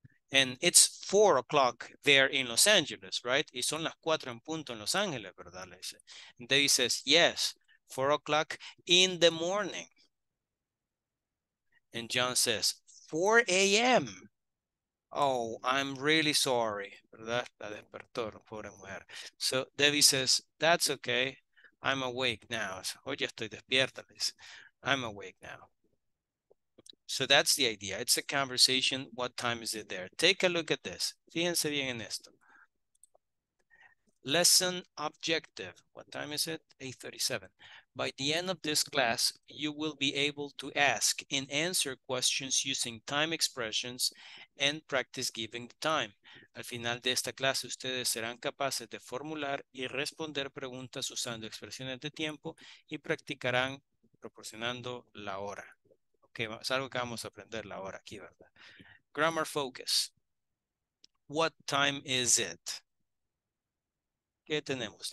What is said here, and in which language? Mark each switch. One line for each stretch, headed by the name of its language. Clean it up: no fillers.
English: and it's 4 o'clock there in Los Angeles, right?
Spanish: Y son las 4 en punto en Los Ángeles, ¿verdad? Le dice.
English: Debbie says, yes, 4 o'clock in the morning. And John says, 4 a.m. Oh, I'm really sorry, ¿verdad?
Spanish: La despertó, pobre mujer.
English: So Debbie says, that's okay. I'm awake now.
Spanish: Hoy ya estoy despierta,
English: Liz. I'm awake now. So that's the idea. It's a conversation. What time is it there? Take a look at this.
Spanish: Fíjense bien en esto.
English: Lesson objective. What time is it? 8:37. By the end of this class, you will be able to ask and answer questions using time expressions and practice giving the time.
Spanish: Al final de esta clase, ustedes serán capaces de formular y responder preguntas usando expresiones de tiempo y practicarán proporcionando la hora. Okay, es algo que vamos a aprender la hora aquí, ¿verdad?
English: Grammar focus. What time is it?
Spanish: ¿Qué tenemos?